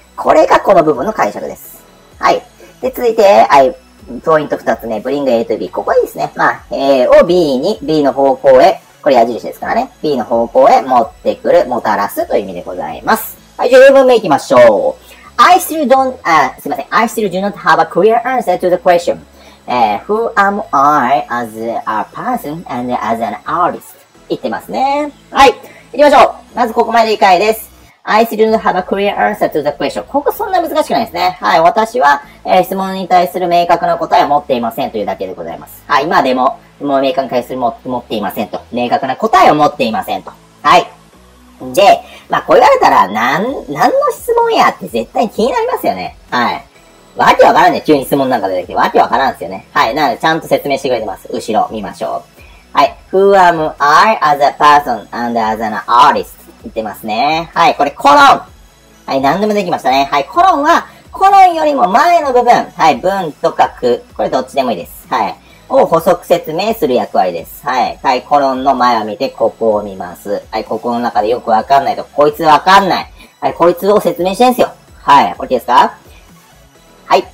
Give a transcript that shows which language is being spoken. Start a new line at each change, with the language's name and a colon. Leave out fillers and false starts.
Japanese: これがこの部分の解釈です。はい。で、続いて、はい。ポイント二つね。bring A と B。ここはいいですね。まあ、A を B に、B の方向へ、これ矢印ですからね。 B の方向へ持ってくる、もたらすという意味でございます。はい。じゃあ、4分目行きましょう。
English: I still do not have a clear answer to the question. Who am I as a person and as an artist?
Japanese: 言ってますね。はい。行きましょう。まずここまで理解です。
English: I still don't have a clear answer to the question.
Japanese: ここそんな難しくないですね。はい。私は、質問に対する明確な答えは持っていませんというだけでございます。はい。今でも、質問明確に対する持っていませんと。明確な答えを持っていませんと。はい。で、まあ、こう言われたら、何の質問やって絶対気になりますよね。はい。わけわからんね。急に質問なんか出てきて。わけわからんすよね。はい。なので、ちゃんと説明してくれてます。後ろ、見ましょう。はい。
English: Who am I as a person and as an artist?
Japanese: 言ってますね。はい。これ、コロン。はい。何でもできましたね。はい。コロンは、コロンよりも前の部分。はい。文と書く。これ、どっちでもいいです。はい。を補足説明する役割です。はい。はい。コロンの前を見て、ここを見ます。はい。ここの中でよくわかんないと。こいつわかんない。はい。こいつを説明してんすよ。はい。OK ですか？はい。